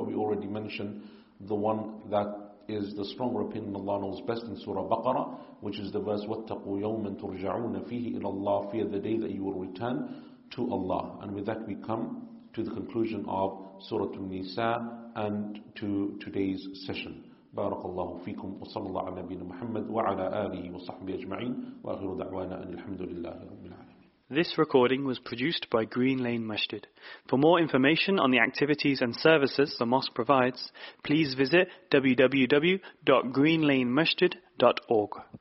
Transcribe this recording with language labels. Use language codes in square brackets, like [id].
[en] But we already mentioned the one that is the stronger opinion, Allah knows best, in Surah Baqarah, which is the verse [ar] وَاتَّقُوا يَوْمًا تُرْجَعُونَ فِيهِ إِلَى اللَّهِ. [en] Fear the day that you will return to Allah. And with that we come to the conclusion of Surah An-Nisa and to today's session. [ar] بارك الله فيكم وصلى الله على نبينا محمد وعلى آله وصحبه أجمعين وآخر دعوانا أن الحمد لله رب العالمين. [en] This recording was produced by Green Lane Masjid. For more information on the activities and services the mosque provides, please visit www.greenlanemasjid.org.